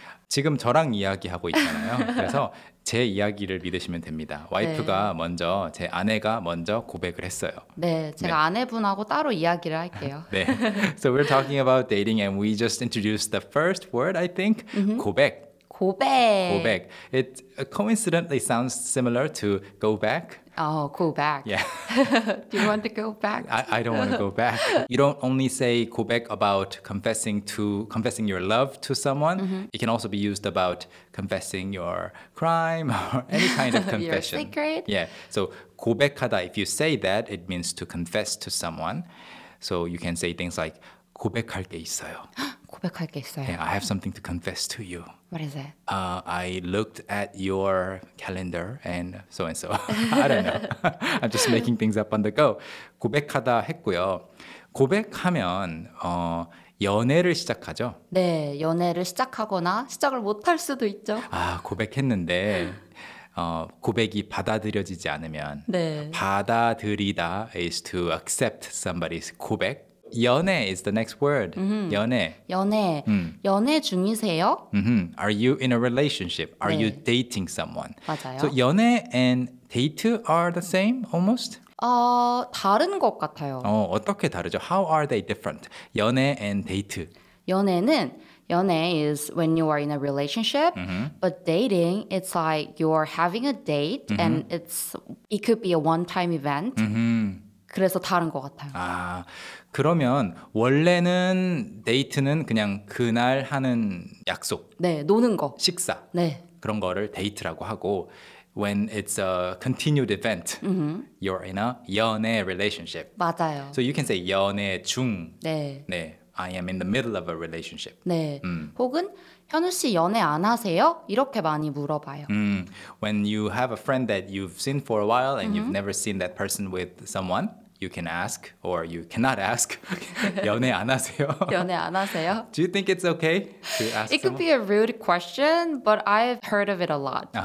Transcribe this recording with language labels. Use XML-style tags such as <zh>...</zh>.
<ko>지금 저랑 이야기하고 있잖아요. 그래서 제 이야기를 믿으시면 됩니다. 와이프가 네. 먼저, 제 아내가 먼저 고백을 했어요. 네, 제가 네. 아내분하고 따로 이야기를 할게요. 네,</ko> <en>so we're talking about dating and we just introduced the first word, I think, mm-hmm.</en> <ko>고백. 고백.</ko> <en>고백. It coincidentally sounds similar to go back. Oh, go back. Yeah. Do you want to go back? I don't want to go back. You don't only say 고백 about confessing your love to someone. Mm-hmm. It can also be used about confessing your crime or any kind of confession. Your secret? Yeah. So 고백하다, if you say that, it means to confess to someone. So you can say things like</en> <ko>고백할 게 있어요. 고백할 게 있어요.</ko> <en>Yeah, I have something to confess to you. What is it? I looked at your calendar and so and so. I don't know. I'm just making things up on the go.</en> <ko>고백하다 했고요. 고백하면 연애를 시작하죠. 네, 연애를 시작하거나 시작을 못할 수도 있죠. 아, 고백했는데 고백이 받아들여지지 않으면 네.</ko> <en>받아들이다 is to accept somebody's 고백. 연애 is the next word. Mm-hmm.</en> <ko>연애. 연애. Mm. 연애 중이세요?</ko> <en>Mm-hmm. Are you in a relationship? Are</en> <ko>네.</ko> <en>you dating someone?</en> <ko>맞아요.</ko> <en>So 연애 and date are the same almost?</en> <ko>다른 것 같아요. 어떻게 다르죠?</ko> <en>How are they different? 연애 and date. 연애는 연애 is when you are in a relationship, mm-hmm. but dating, it's like you're having a date mm-hmm. and it could be a one-time event. Mm-hmm.</en> <ko>그래서 다른 것 같아요. 아, 그러면 원래는 데이트는 그냥 그날 하는 약속. 네, 노는 거. 식사. 네. 그런 거를 데이트라고 하고</ko> <en>when it's a continued event, mm-hmm. you're in a 연애 relationship.</en> <ko>맞아요.</ko> <en>So you can say 연애 중.</en> <ko>네. 네,</ko> <en>I am in the middle of a relationship.</en> <ko>네. 혹은 현우 씨 연애 안 하세요? 이렇게 많이 물어봐요.</ko> <en>When you have a friend that you've seen for a while and mm-hmm. you've never seen that person with someone, you can ask or you cannot ask.</en> <ko>연애 안 하세요? 연애 안 하세요?</ko> <en>Do you think it's okay to ask It could someone? Be a rude question, but I've heard of it a lot.</en>